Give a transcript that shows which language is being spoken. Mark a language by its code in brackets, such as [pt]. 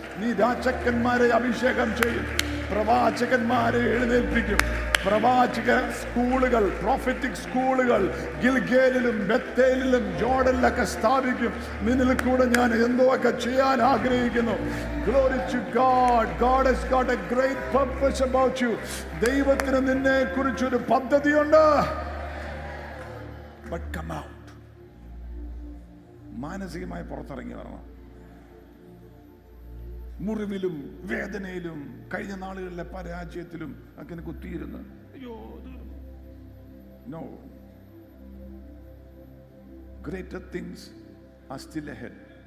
[ml] നീ രാജാക്കന്മാരെ അഭിഷേകം ചെയ്യും, പ്രവാചകന്മാരെ എഴുന്നേൽപ്പിക്കും, പ്രവാചക സ്കൂളുകൾ, പ്രോഫറ്റിക് സ്കൂളുകൾ ഗിൽഗേലിലും ബെത്തേലിലും ജോർഡനിലൊക്കെ സ്ഥാപിക്കും. നിന്നിൽ കൂടെ ഞാൻ എന്തൊക്കെ ചെയ്യാൻ ആഗ്രഹിക്കുന്നു. [en] Glory to God. God has got a great purpose about you. [ml] ദൈവത്തിന് നിന്നെ കുറിച്ചൊരു പദ്ധതിയുണ്ട്. [en] But come out. [ml] മാനസികമായി പുറത്തിറങ്ങി വരണം. മുറിവിലും വേദനയിലും കഴിഞ്ഞ നാളുകളിലെ പരാജയത്തിലും ഒക്കെ എനിക്ക് കുത്തിയിരുന്ന് അയ്യോ [en] no greater things are still ahead